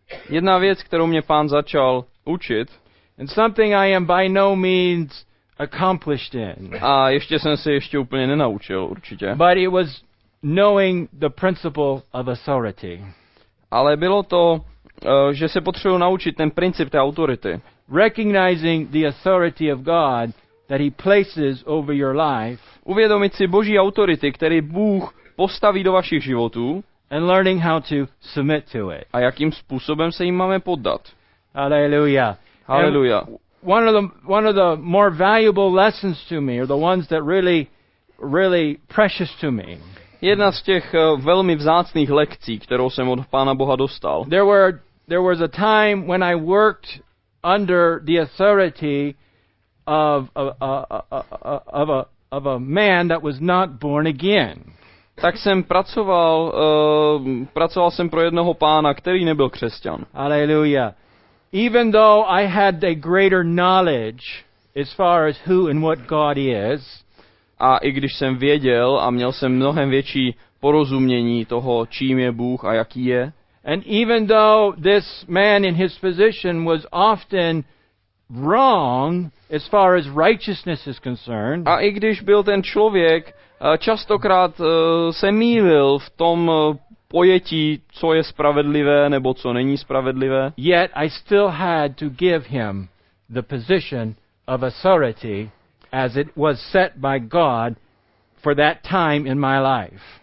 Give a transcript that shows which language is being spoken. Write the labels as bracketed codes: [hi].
[cs] Jedna věc, kterou mě Pán začal učit. [en] And something I am by no means accomplished in. [cs] A ještě jsem se ještě úplně nenaučil, určitě. [en] But it was knowing the principle of authority. [cs] Ale bylo to, že se potřebuji naučit ten princip té autority. [en] Recognizing the authority of God that he places over your life. [cs] Uvědomit si Boží autority, který Bůh postaví do vašich životů. [en] And learning how to submit to it. [cs] A jakým způsobem se jim máme poddat. Hallelujah. Hallelujah. [en] One of the more valuable lessons to me, or the ones that really, really precious to me. [cs] Jedna z těch velmi vzácných lekcí, kterou jsem od Pána Boha dostal. [en] There was a time when I worked under the authority of a man that was not born again. [cs] Tak jsem pracoval jsem pro jednoho pána, který nebyl křesťan. Hallelujah. [en] Even though I had a greater knowledge as far as who and what God is, [cs] a i když jsem věděl a měl jsem mnohem větší porozumění toho, čím je Bůh a jaký je, [en] and even though this man in his position was often wrong as far as righteousness is concerned, [cs] a i když byl ten člověk častokrát se mýlil v tom pojetí, co je spravedlivé nebo co není spravedlivé. [en] Yet I still had to give him the position of authority as it was set by God for that time in my life.